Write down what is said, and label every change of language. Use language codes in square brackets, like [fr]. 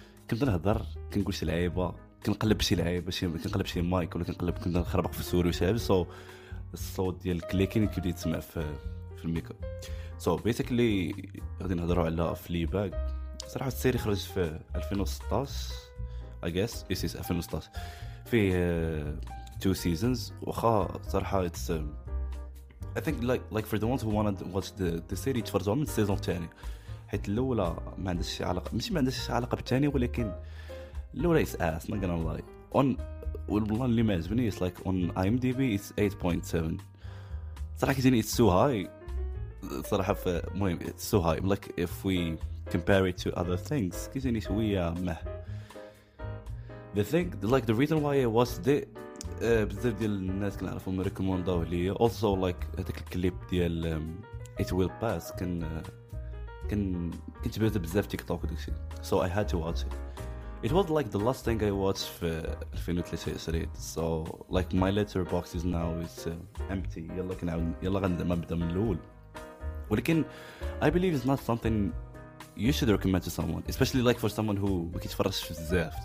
[ar] كنت نهضر كنقول شي لعيبة كنقلب شي لعيبة كنقلب شي مايك ولا كنقلب كنت نخربق في السوري وشي لعيبة. So, الصوت ديال الكليكين كيبدا يتسمع في الميكا. [en] So, basically [ar] غادي نهضروا على Fleabag. صراحة السيري خرج في 2016 [en] I guess. Yes, yes, 2016. في two seasons. [ar] وخا صراحة [en] it's I think like for the ones who want to watch the series, it's for the second season. [ar] حيت الأولى ما عندهاش شي علاقة ماشي ما عندهاش شي علاقة بالثانية ولكن الأولى [en] is ass, not gonna lie. On [ar] والله اللي ما عجبني [en] is like on IMDb it's 8.7. [ar] صراحة كيجيني [en] it's so high. [ar] صراحة المهم [en] it's so high. Like if we compare it to other things, [ar] كيجيني شوية [en] meh. The thing, like the reason why I watched it, [ar] بزاف ديال الناس كنعرفهم ريكومونداو ليا. [en] Also like [ar] هذاك الكليب ديال [en] it will pass [ar] كنت تبعت بزاف تيك توك وداكشي. [en] So I had to watch it. It was like the last thing I watched في 2023. So like my letterbox is now is empty. [ar] يلا غنبدا مبدا من الاول. [en] ولكن I believe it's not something you should recommend to someone, especially like for someone who [ar] ما كيتفرجش بزاف.